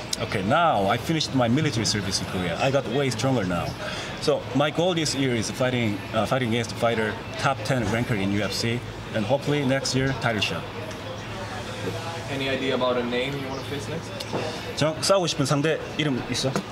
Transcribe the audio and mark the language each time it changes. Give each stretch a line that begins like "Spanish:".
English: Okay, now I finished my military service in Korea. I got way stronger now. So my goal this year is fighting against fighter top 10 ranker in UFC, and hopefully next year title shot. Any idea about a name you want to face next?
Korean: 싸우고 싶은 상대 이름 있어?